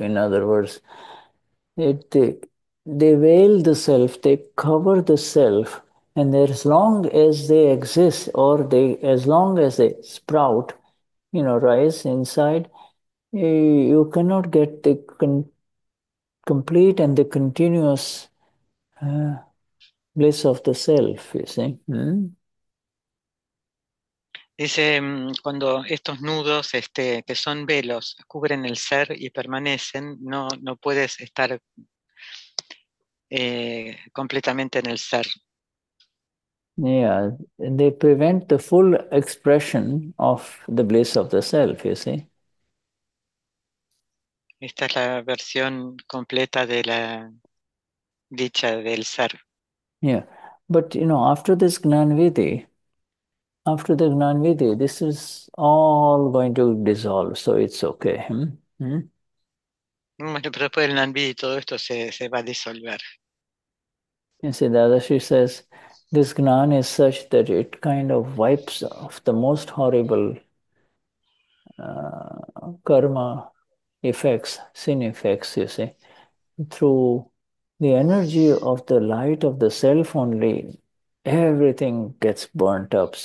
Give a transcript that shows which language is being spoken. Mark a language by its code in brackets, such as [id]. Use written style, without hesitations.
[en] In other words, they veil the self, they cover the self, and as long as they exist, or they as long as they sprout, rise inside, you cannot get the complete and the continuous bliss of the self, you see. [es] Dice, cuando estos nudos, que son velos, cubren el ser y permanecen, no puedes estar completamente en el ser. [en] Yeah, they prevent the full expression of the bliss of the self, you see. [es] Esta es la versión completa de la dicha del ser. [en] Yeah, but after this Gnanvidhi, after the Gnanvidhi, this is all going to dissolve, so it's okay. [es] Bueno, pero después del Nambi y todo esto se va a disolver. [en] You see, Dadashi says this Gnan is such that it kind of wipes off the most horrible karma effects, sin effects, you see, through the energy of the light of the self only, everything gets burnt up.